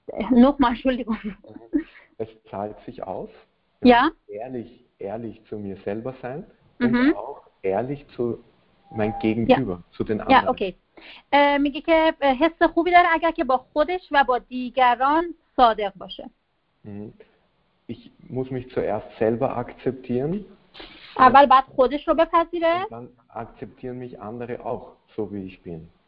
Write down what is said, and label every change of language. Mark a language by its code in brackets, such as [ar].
[de] Nochmal, Entschuldigung. Es zahlt sich aus, ja? ehrlich zu mir selber sein und auch ehrlich zu mein Gegenüber, ja. zu den anderen. [fa] Ja, okay. میگه که حس خوبی داره اگر که با خودش و با دیگران صادق باشه. [de] Ich muss mich zuerst selber akzeptieren. [fa] اول باید خودش رو بپذیره. [de] Und dann akzeptieren mich andere auch, so wie ich bin.